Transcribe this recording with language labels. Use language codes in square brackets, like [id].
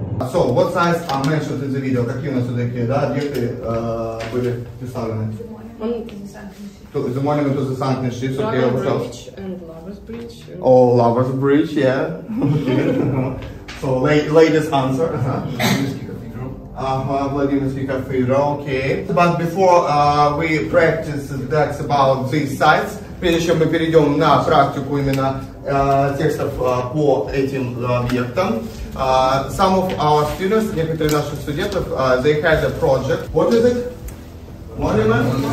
[en] So, what size are mentioned in the video? [ru] Какие у нас тут такие, да, объекты были представлены? [en] The monument is the sanctuary. The monument is the sanctuary. Dragon Bridge and Lover's Bridge. Oh, Lover's Bridge, yeah. So, latest answer. Vladimir Cathedral, okay. But before we practice decks about these sites, [ru] прежде чем мы перейдем на практику именно текстов по этим объектам, [en] some of our students, [ru] некоторые наших студентов, [en] they had a project. What is it? Monument?